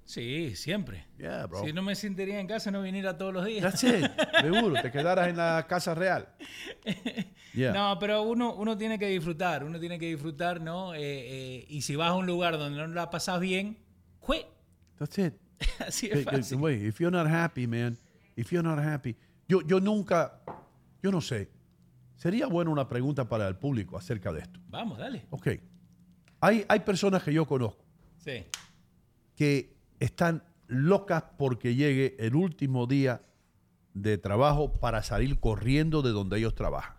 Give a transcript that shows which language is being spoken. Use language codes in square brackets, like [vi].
[es] Sí, siempre. [en] Yeah, bro. [es] Si no me sentiría en casa, no viniera todos los días. [en] That's it. [es] Seguro, te quedaras en la casa real. Yeah. No, pero uno tiene que disfrutar, ¿no? Y si vas a un lugar donde no la pasas bien, quit. [en] That's it. [es] Así es fácil. [en] Wait, if you're not happy, man, if you're not happy. [es] Yo nunca, yo no sé. Sería buena una pregunta para el público acerca de esto. Vamos, dale. Ok. Hay personas que yo conozco, sí, que están locas porque llegue el último día de trabajo para salir corriendo de donde ellos trabajan.